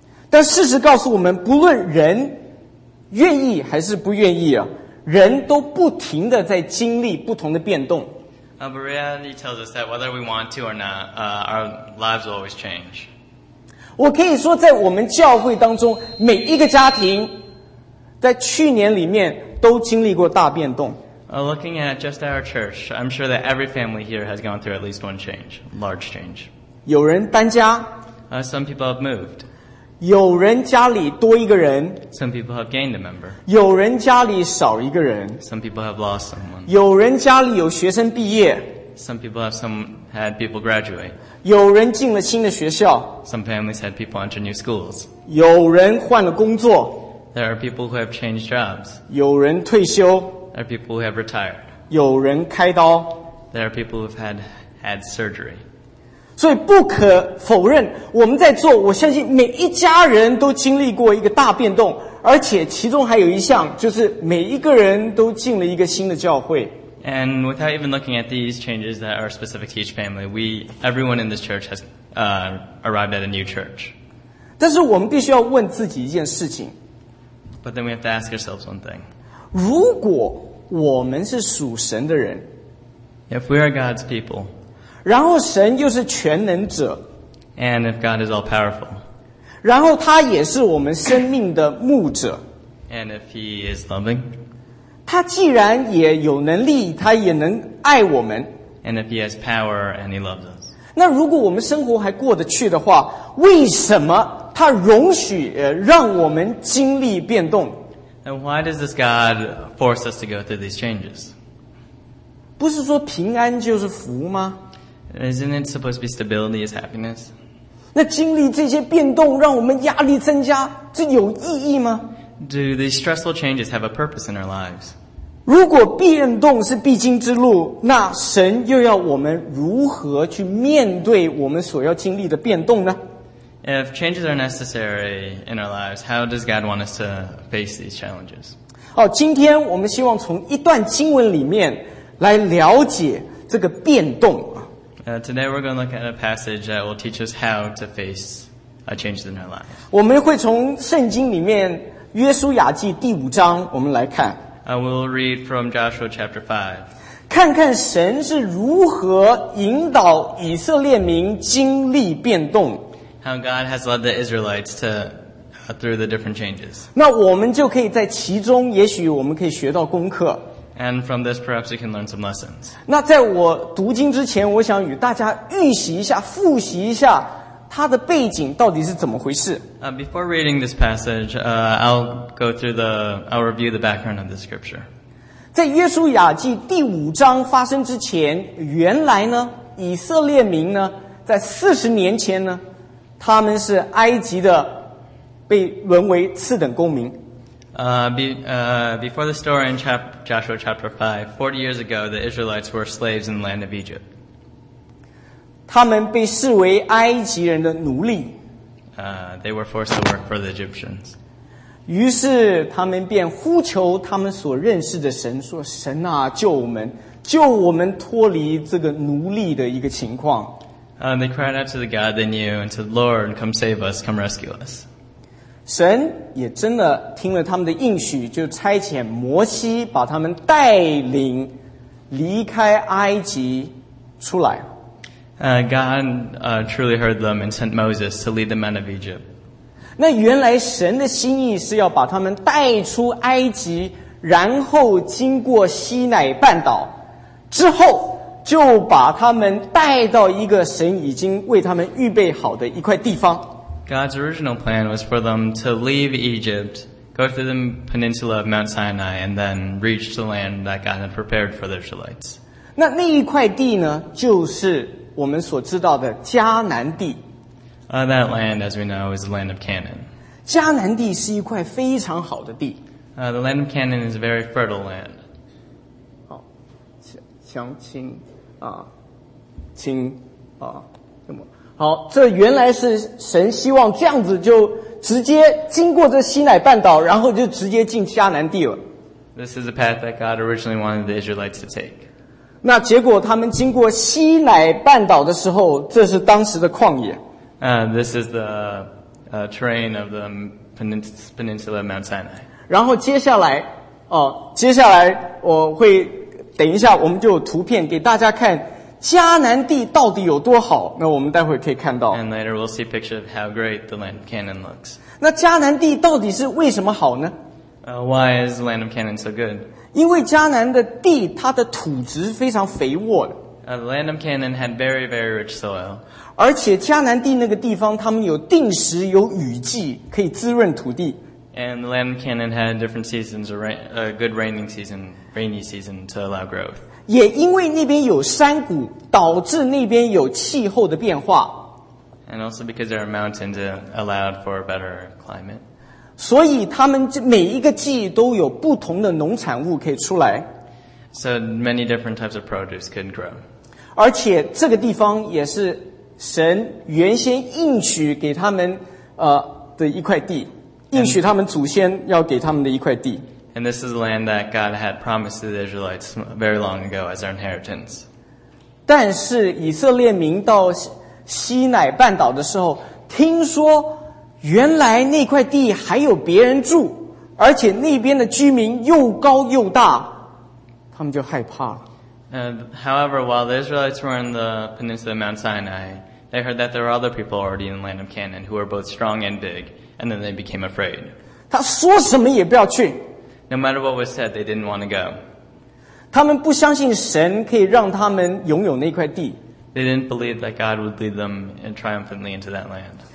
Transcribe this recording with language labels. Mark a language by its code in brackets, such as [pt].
[zh] 但事实告诉我们，不论人愿意还是不愿意啊，人都不停的在经历不同的变动。 [en] But reality tells us that whether we want to or not, our lives will always change. [zh] 我可以说在我们教会当中，每一个家庭在去年里面都经历过大变动。 [en] Looking at just our church, I'm sure that every family here has gone through at least one change, large change. [zh] 有人搬家。 [en] Some people have moved. [zh] 有人家里多一个人。 [en] Some people have gained a member. [zh] 有人家里少一个人。 [en] Some people have lost someone. [zh] 有人家里有学生毕业。 [en] Some people have had people graduate. [zh] 有人进了新的学校。 [en] Some families had people enter new schools. [zh] 有人换了工作。 [en] There are people who have changed jobs. [zh] 有人退休。 [en] There are people who have retired. [zh] 有人开刀。 [en] There are people who have had surgery. [zh] 所以不可否认，我们在做，我相信每一家人都经历过一个大变动，而且其中还有一项，就是每一个人都进了一个新的教会。 [en] And without even looking at these changes that are specific to each family, everyone in this church has arrived at a new church. [zh] 但是我们必须要问自己一件事情。 [en] But then we have to ask ourselves one thing. [zh] 如果我们是属神的人， [en] If we are God's people, [zh] 然后神又是全能者， [en] and if God is all powerful, [zh] 然后他也是我们生命的牧者， [en] and if he is loving, [zh] 他既然也有能力，他也能爱我们， [en] and if he has power and he loves us, [zh] 那如果我们生活还过得去的话，为什么他容许让我们经历变动？ [en] And why does this God force us to go through these changes? [zh] 不是说平安就是福吗？ [en] Isn't it supposed to be stability is happiness? [zh] 那经历这些变动让我们压力增加，这有意义吗？ [en] Do these stressful changes have a purpose in our lives? [zh] 如果变动是必经之路，那神又要我们如何去面对我们所要经历的变动呢？ [en] If changes are necessary in our lives, how does God want us to face these challenges? [zh] 好，今天我们希望从一段经文里面来了解这个变动。 [en] Today we're going to look at a passage that will teach us how to face a change in our life. [zh] 我们会从圣经里面约书亚记第五章我们来看。 [en] We'll read from Joshua chapter 5. [zh] 看看神是如何引导以色列民经历变动。 [en] How God has led the Israelites to, through the different changes. [zh] 那我们就可以在其中，也许我们可以学到功课。 [en] And from this, perhaps you can learn some lessons. [zh] 那在我读经之前，我想与大家预习一下，复习一下它的背景到底是怎么回事。 [en] Before reading this passage, I'll review the background of the scripture. [zh] 在约书亚记第五章发生之前，原来呢，以色列民呢，在40年前呢，他们是埃及的，被沦为次等公民。 [en] Before the story in Joshua chapter 5, 40 years ago, the Israelites were slaves in the land of Egypt. [zh] 他们被视为埃及人的奴隶。 [en] They were forced to work for the Egyptians. [zh] 于是他们便呼求他们所认识的神，说：“神啊，救我们，救我们脱离这个奴隶的一个情况。” [en] They cried out to the God they knew and said, "Lord, come save us, come rescue us." [zh] 神也真的听了他们的应许，就差遣摩西把他们带领离开埃及出来。 [en] God truly heard them and sent Moses to lead the men of Egypt. [zh] 那原来神的心意是要把他们带出埃及，然后经过西乃半岛，之后就把他们带到一个神已经为他们预备好的一块地方。 [en] God's original plan was for them to leave Egypt, go through the peninsula of Mount Sinai, and then reach the land that God had prepared for the Israelites. [zh] 那一块地呢，就是我们所知道的迦南地。 [en] That land, as we know, is the land of Canaan. [zh] 迦南地是一块非常好的地。 [en] The land of Canaan is a very fertile land. [zh] 好，想请啊，请啊，那么好，这原来是神希望这样子就直接经过这西乃半岛，然后就直接进迦南地了。 [en] This is the path that God originally wanted the Israelites to take. [zh] 那结果他们经过西乃半岛的时候，这是当时的旷野。 [en] This is the terrain of the peninsula of Mount Sinai. [zh] 然后接下来，接下来我会等一下，我们就有图片给大家看。迦南地到底有多好？那我们待会可以看到。 [en] And later we'll see a picture of how great the land of Canaan looks. [zh] 那迦南地到底是为什么好呢？ [en] Why is the land of Canaan so good? [zh] 因为迦南的地，它的土质非常肥沃的。 [en] The land of Canaan had very, very rich soil. [zh] 而且迦南地那个地方，他们有定时有雨季，可以滋润土地。 [en] And the land of Canaan had different seasons, a good rainy season to allow growth. [zh] 也因为那边有山谷，导致那边有气候的变化。 [en] And also because there are mountains, it allowed for a better climate. [zh] 所以他们每一个季都有不同的农产物可以出来。 [en] So many different types of produce could grow. [zh] 而且这个地方也是神原先应许给他们的一块地。应许他们祖先要给他们的一块地。 [en] And this is the land that God had promised to the Israelites very long ago as their inheritance. [zh] 但是以色列民到西乃半岛的时候，听说原来那块地还有别人住，而且那边的居民又高又大，他们就害怕了。 [en] However, while the Israelites were in the peninsula of Mount Sinai, they heard that there were other people already in the land of Canaan who were both strong and big. And then they became afraid. [zh] 他说什么也不要去。 [en] No matter what was said, they didn't want to go. [zh] 他们不相信神可以让他们拥有那块地。 [en] They didn't believe that God would lead them triumphantly into that land.